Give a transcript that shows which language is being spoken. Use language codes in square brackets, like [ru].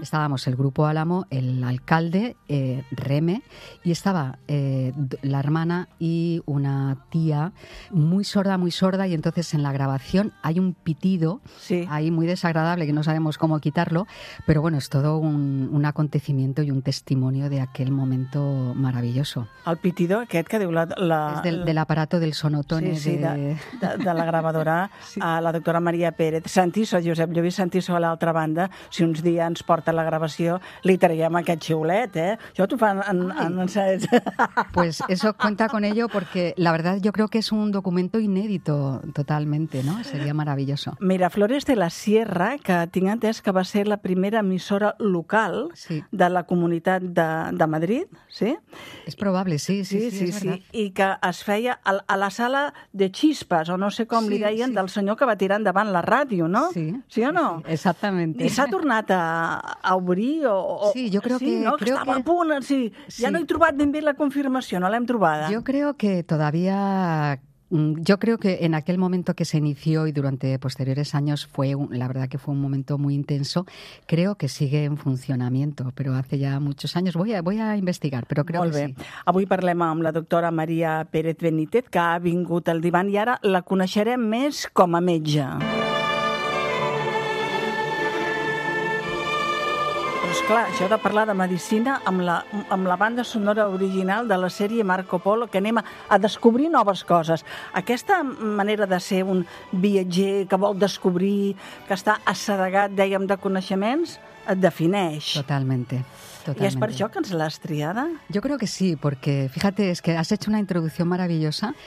[es] estábamos el grupo Álamo, el alcalde, Reme, y estaba la hermana y una tía muy sorda, y entonces en la grabación hay un pitido sí. ahí muy desagradable que no sabemos cómo quitarlo, pero bueno, es todo un acontecimiento y un testimonio de aquel momento maravilloso. [ca] El pitido aquest que diu [es] es del aparato del sonotone [ca] de la gravadora sí. a la doctora Maria Pérez. Josep Lluís Santiso a l'altra banda, si uns dies ens porta la gravació, li traiem aquest xiulet, Això t'ho fan en saps. [es] Pues eso cuenta con ello porque la verdad yo creo que es un documento inédito totalmente, ¿no? Sería maravilloso. [ca] Miraflores de la Sierra, que tinc entès que va ser la primera emissora local sí. de la comunitat de Madrid, sí? És probable, sí. I que es feia a la sala de Chispas, o no sé com li deien, del senyor que va tirar endavant la ràdio, no? Sí. Sí o no? Sí, exactament. I s'ha tornat a obrir o... Sí, jo crec sí, que... No? Creo estava que... a punt, sí. sí. Ja no he trobat ben bé la confirmació, no l'hem trobada. Jo crec que todavía... [es] Yo creo que en aquel momento que se inició y durante posteriores años fue la verdad que fue un momento muy intenso. Creo que sigue en funcionamiento, pero hace ya muchos años. Voy a investigar, pero creo [ca] Molt que bé. Sí. Avui parlem amb la doctora Maria Pérez Benítez, que ha vingut al divan i ara la coneixerem més com a metge. Clar, això de parlar de medicina amb la banda sonora original de la sèrie Marco Polo, que anem a descobrir noves coses. Aquesta manera de ser un viatger que vol descobrir, que està assedegat, dèiem, de coneixements, et defineix. [es] Totalmente. Totalmente. ¿Y es por eso que nos la has triada? Yo creo que sí, porque fíjate, es que has hecho una introducción maravillosa.